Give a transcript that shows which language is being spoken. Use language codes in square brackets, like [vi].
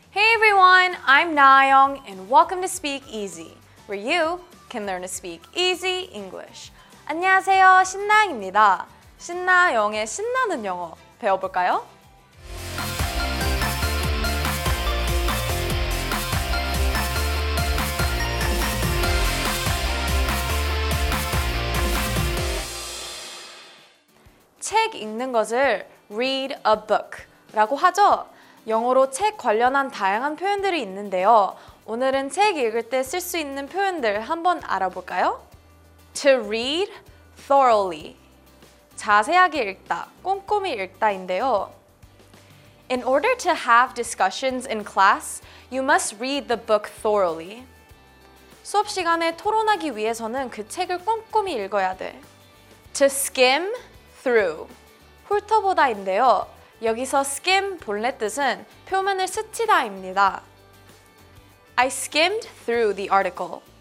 [en] Hey everyone, I'm Nayoung and welcome to Speak Easy, where you can learn to speak easy English. [ko] 안녕하세요, 신나영입니다. 신나영의 신나는 영어 배워볼까요? 책 읽는 것을 [en] read a book [ko] 라고 하죠. 영어로 책 관련한 다양한 표현들이 있는데요. 오늘은 책 읽을 때 쓸 수 있는 표현들 한번 알아볼까요? [en] To read thoroughly. [ko] 자세하게 읽다, 꼼꼼히 읽다인데요. [en] In order to have discussions in class, you must read the book thoroughly. [ko] 수업 시간에 토론하기 위해서는 그 책을 꼼꼼히 읽어야 돼. [en] To skim through. [ko] 훑어보다인데요. 여기서 skim 본래 뜻은 표면을 스치다입니다. [en] I skimmed through the article.